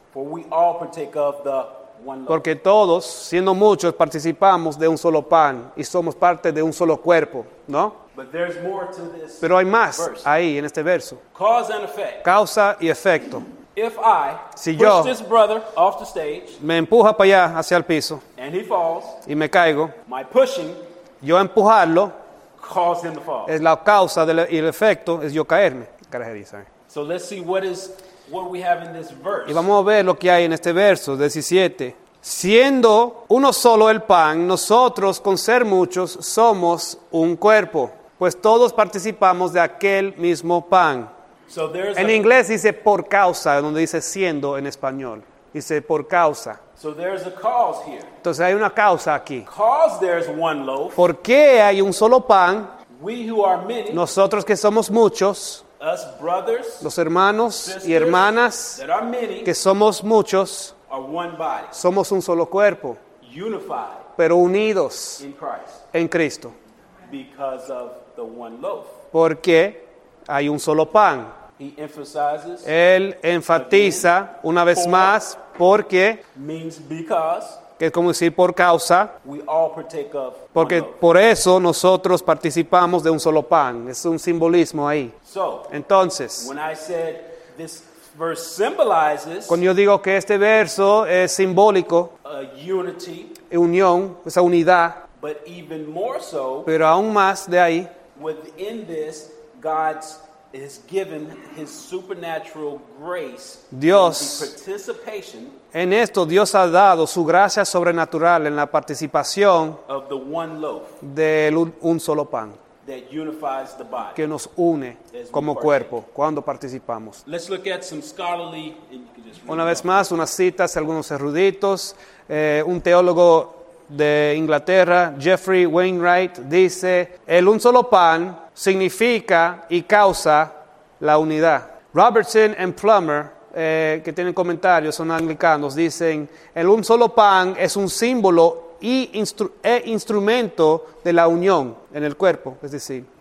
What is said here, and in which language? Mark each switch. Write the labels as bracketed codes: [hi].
[en] For we all partake of the one. [es] Porque todos, siendo muchos, participamos de un solo pan y somos parte de un solo cuerpo, ¿no? [en] But there's more to this. [es] Pero hay más verse. Ahí en este verso. [en] Cause and effect. [es] Causa y efecto. [en] If I [es] si [en] push [es] yo [en] this brother off the stage, [es] me empuja para allá hacia el piso, [en] and he falls, [es] y me caigo, [en] my pushing, [es] yo empujarlo, [en] cause him to fall. [es] Es la causa del, y el efecto es yo caerme. [en] So let's see what we have in this verse. [es] Y vamos a ver lo que hay en este verso 17. Siendo uno solo el pan, nosotros con ser muchos somos un cuerpo, pues todos participamos de aquel mismo pan. [en] So there's [es] en inglés dice por causa, donde dice siendo en español. Dice por causa. [en] So there's a cause here. [es] Entonces hay una causa aquí. [en] Cause there's one loaf. [es] ¿Por qué hay un solo pan? [en] We who are many, [es] nosotros que somos muchos. [en] Us brothers, [es] los hermanos [en] sisters, [es] y hermanas [en] that are many, [es] que somos muchos. [en] Are one body. [es] Somos un solo cuerpo. [en] Unified. [es] Pero unidos. [en] In Christ. [es] En Cristo. [en] Because of the one loaf. [es] Porque hay un solo pan. [en] He emphasizes. [es] Él enfatiza [en] again, [es] una vez más. Porque. [en] Means because. [es] Que es como decir por causa. [en] We all partake of. [es] Porque [en] one loaf. [es] Por eso nosotros participamos de un solo pan. Es un simbolismo ahí. [en] So. [es] Entonces. [en] When I said this verse symbolizes, [es] cuando yo digo que este verso es simbólico, [en] a unity, [es] unión, esa unidad, [en] but even more so, [es] pero aún más de ahí, [en] within this, God has given his supernatural grace, [es] Dios, [en] in the participation, [es] en esto Dios ha dado su gracia sobrenatural en la participación [en] of the one loaf, [es] del un solo pan. [en] That unifies the body. [es] Que nos une como cuerpo cuando participamos. [en] Let's look at some scholarly, and you can just read [es] una vez más, unas citas, algunos eruditos. Un teólogo de Inglaterra, Jeffrey Wainwright, dice, el un solo pan significa y causa la unidad. Robertson and Plummer, que tienen comentarios, son anglicanos, dicen, el un solo pan es un símbolo e instrumento de la unión en el cuerpo, es decir.